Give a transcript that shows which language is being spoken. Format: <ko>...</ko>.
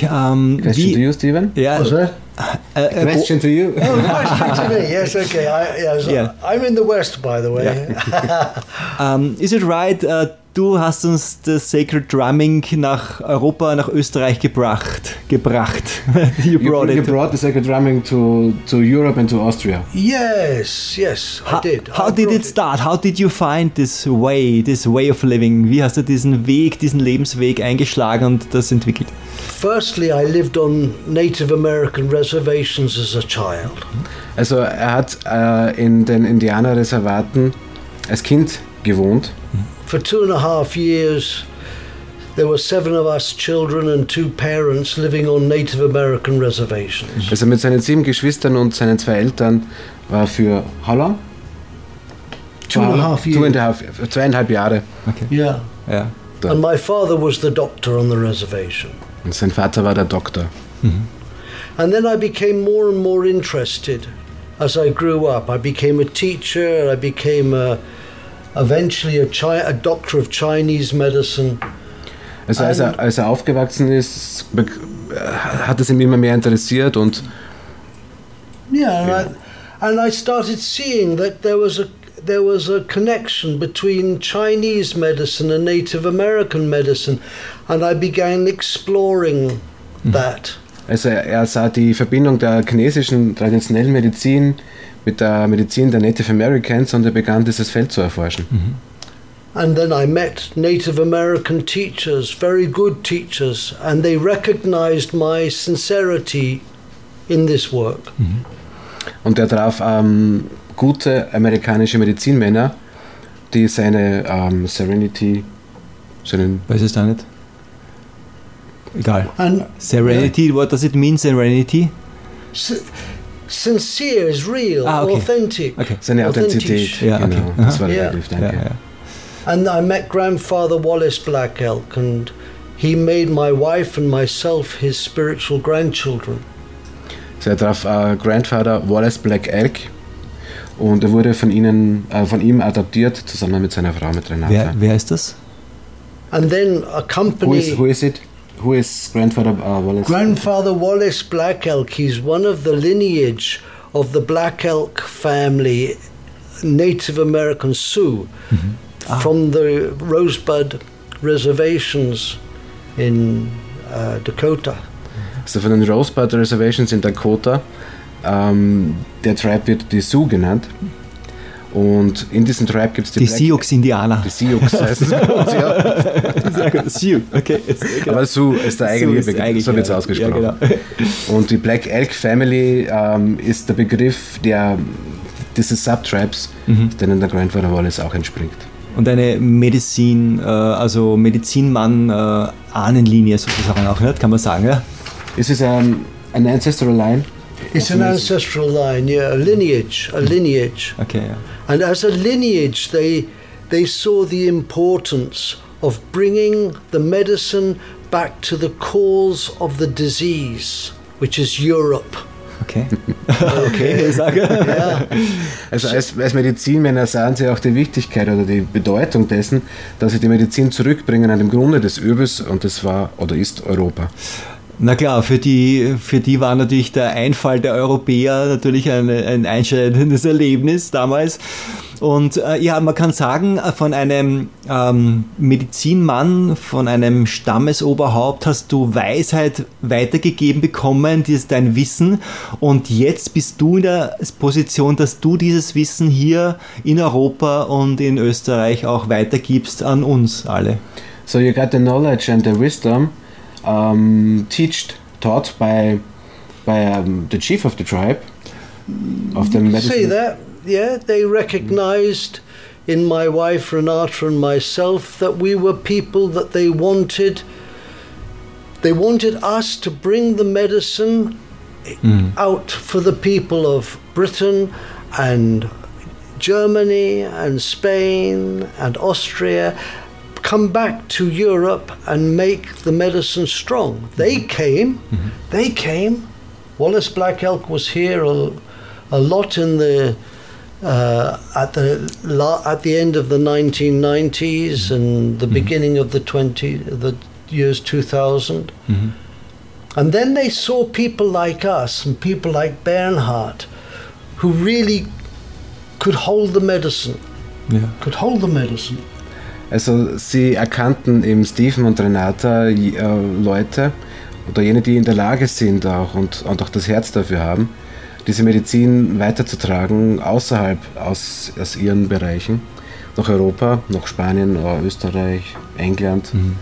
<en>Question to you, Steven?</en> <de>Ja. Also,</de> <en>question to you. Yes, okay. I'm in the West, by the way. Is it right?</en> <de>Du hast uns das Sacred Drumming nach Europa, nach Österreich gebracht.</de> <en>You brought the Sacred Drumming to Europe and to Austria. Yes, I did. How did it start? How did you find this way of living?</en> <de>Wie hast du diesen Lebensweg eingeschlagen und das entwickelt?</de> <en>Firstly, I lived on Native American reservations as a child.</en> <de>Also er hat in den Indianerreservaten als Kind gewohnt.</de> <en>For 2.5 years, there were 7 of us children and 2 parents living on Native American reservations.</en> <de>Also mit seinen 7 Geschwistern und seinen 2 Eltern war für</de> <en>how long? Two and a half years. Okay. Yeah. And my father was the doctor on the reservation.</en> <de>Und sein Vater war der Doktor. Mhm.</de> <en>And then I became more and more interested as I grew up. I became a teacher, I became eventually a doctor of Chinese medicine.</en> <de>Also als er aufgewachsen ist, hat es ihn immer mehr interessiert und...</de> <en>And I started seeing that there was a connection between Chinese medicine and Native American medicine, and I began exploring that.</en> <de>Also er sah die Verbindung der chinesischen traditionellen Medizin mit der Medizin der Native Americans und er begann dieses Feld zu erforschen.</de> <en>And then I met Native American teachers, very good teachers, and they recognized my sincerity in this work.</en> <de>Und er traf gute amerikanische Medizinmänner, die seine Serenity, seinen, weiß es da nicht? Egal.</de> <en>And Serenity, yeah. What does it mean, Serenity? Sincere is real, ah, okay. Authentic.</en> <de>Okay. Seine Authentizität, ja, genau. Okay. Das war der Begriff, danke.</de> <en>Yeah, yeah. And I met Grandfather Wallace Black Elk, and he made my wife and myself his spiritual grandchildren.</en> <de>So er traf Grandfather Wallace Black Elk, und er wurde von ihm adoptiert zusammen mit seiner Frau, mit Renata. Wer ist das?</de> <en>And then a company. Who is it? Who is Grandfather Wallace? Grandfather Wallace Black Elk. He's one of the lineage of the Black Elk family, Native American Sioux. From the Rosebud Reservations in Dakota.</en> <de>So von den Rosebud Reservations in Dakota, der Tribe wird die Sioux genannt. Und in diesem Tribe gibt es die Sioux Indianer. Die Sioux heißen sie. Ja. Sioux, okay. Aber Sioux ist der eigentliche Begriff, so wird es ausgesprochen. Ja, genau. Und die Black Elk Family ist der Begriff dieses Subtribes, denen der Grandfather Wallace auch entspringt. Und eine Medizin, also Medizinmann Ahnenlinie sozusagen auch, nicht? Kann man sagen, ja?</de> <en>Is this an ancestral line? It's an ancestral line, yeah. A lineage. Okay, yeah. And as a lineage, they saw the importance of bringing the medicine back to the cause of the disease, which is Europe. Okay.</en> <de>Also als Medizinmänner sahen sie auch die Wichtigkeit oder die Bedeutung dessen, dass sie die Medizin zurückbringen an dem Grunde des Übels, und das war oder ist Europa. Na klar, für die war natürlich der Einfall der Europäer natürlich ein einschneidendes Erlebnis damals. Und ja, man kann sagen, von einem Medizinmann, von einem Stammesoberhaupt hast du Weisheit weitergegeben bekommen, dieses dein Wissen. Und jetzt bist du in der Position, dass du dieses Wissen hier in Europa und in Österreich auch weitergibst an uns alle.</de> <en>So you got the knowledge and the wisdom taught by the chief of the tribe of the medicine. Say that. Yeah, they recognized in my wife Renata and myself that we were people that they wanted us to bring the medicine out for the people of Britain and Germany and Spain and Austria, come back to Europe and make the medicine strong. They came. Wallace Black Elk was here a lot in the at the end of the 1990s and the beginning of the years 2000. And then they saw people like us and people like Bernhard who really could hold the medicine. Yeah. Could hold the medicine.</en> <de>Also sie erkannten eben Stephen und Renata Leute oder jene, die in der Lage sind auch und auch das Herz dafür haben, diese Medizin weiterzutragen außerhalb aus ihren Bereichen, nach Europa, nach Spanien, Österreich, England.</de>